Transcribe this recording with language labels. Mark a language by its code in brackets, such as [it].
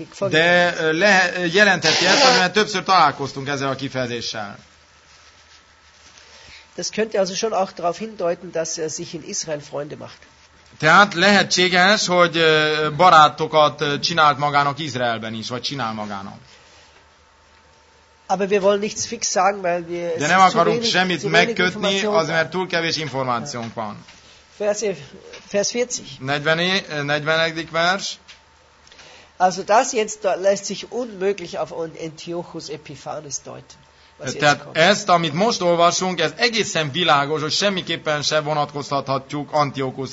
[hu] De jelentheti ezt, mert többször találkoztunk ezzel a kifejezéssel. [de] Das könnte also schon auch darauf hindeuten, dass er sich in Israel Freunde macht. [hu] Tehát lehetséges, hogy barátokat csinált magának Izraelben is, vagy csinál magának. [de] Aber wir wollen nichts fix sagen, weil wir [hu] de nem akarunk semmit megkötni, az mert túl kevés információnk van. [de] Vers 40. [hu] 40. vers. [de] Also das jetzt lässt sich unmöglich auf Antiochus Epiphanes deuten. [hu] Tehát ezt, amit most olvasunk, ez egészen világos, hogy semmiképpen se vonatkoztathatjuk Antiochus